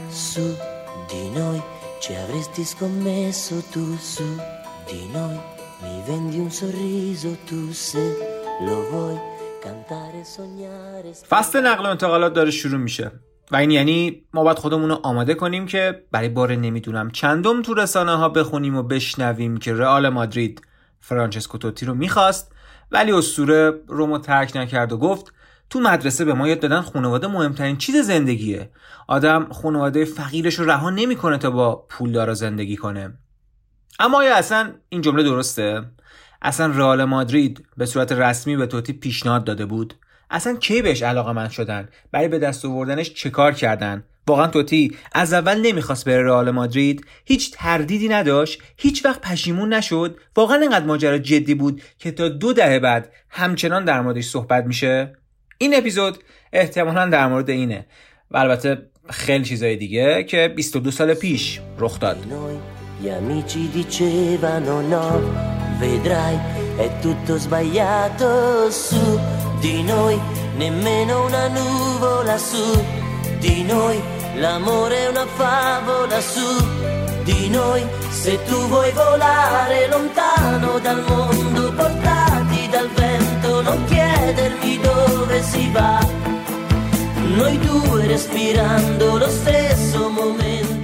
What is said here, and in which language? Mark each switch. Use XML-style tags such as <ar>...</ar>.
<it>Su di noi ci avresti scommesso tu, su di noi mi vendi un sorriso tu, se lo vuoi cantare sognare.</it> <fa>فصل نقل و انتقالات داره شروع میشه و این یعنی ما باید خودمون رو آماده کنیم که برای بار نمیدونم چندم تو رسانه ها بخونیم و بشنویم که رئال مادرید فرانچسکو توتی رو میخواست ولی اسطوره رومو ترک نکرد و گفت تو مدرسه به ما یاد دادن خانواده مهمترین چیز زندگیه. آدم خانواده فقیرش رو رها نمیکنه تا با پولدارا زندگی کنه. اما آیا اصلا این جمله درسته؟ اصلا رئال مادرید به صورت رسمی به توتی پیشنهاد داده بود؟ اصلا کی بهش علاقه‌مند شدن؟ برای به دست آوردنش چه کار کردن؟ واقعا توتی از اول نمیخواست بره رئال مادرید؟ هیچ تردیدی نداشت؟ هیچ وقت پشیمون نشد؟ واقعا انقدر ماجرا جدی بود که تا 2 دهه بعد همچنان در موردش صحبت میشه؟ این اپیزود احتمالاً در مورد اینه و البته خیلی چیزای دیگه که 22 سال پیش رخ داد.</fa> <it>Gli amici dicevano no, vedrai, è tutto sbagliato su di noi, nemmeno una nuvola su di noi, l'amore è una favola su di noi, se tu vuoi volare lontano dal mondo portati dal vento, non chiedermi dove si va, noi due respirando lo stesso momento.</it>